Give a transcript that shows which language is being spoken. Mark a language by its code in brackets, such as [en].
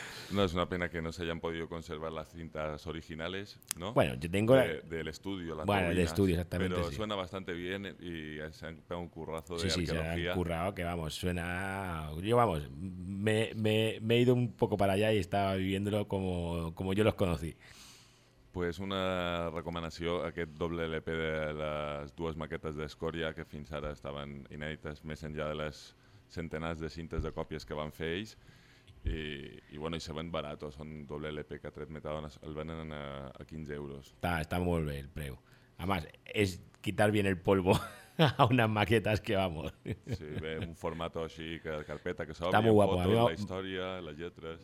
[es] No, es una pena que no se hayan podido conservar las cintas originales, ¿no? Bueno, yo tengo... Del estudio, las bueno, del estudio, exactamente, pero sí. Suena bastante bien y se han pegado un currazo sí, de sí, arqueología. Sí, se han currado, que vamos, suena... Yo, vamos, me he ido un poco para allá y estaba viviéndolo como yo los conocí. [ca] Pues una recomanació, aquest doble LP de les dues maquetes d'Escoria, que fins ara estaven inèdites més enllà de les centenars de cintes de còpies que van fer ells. [es] Y bueno, y se ven baratos, son doble LP que a 3 metadonas, el venden a 15 euros. Está muy bien el precio. Además, es quitar bien el polvo a unas maquetas que vamos. Sí, ve un formato así, que carpeta, que se está muy guapo. Fotos, la historia, las letras.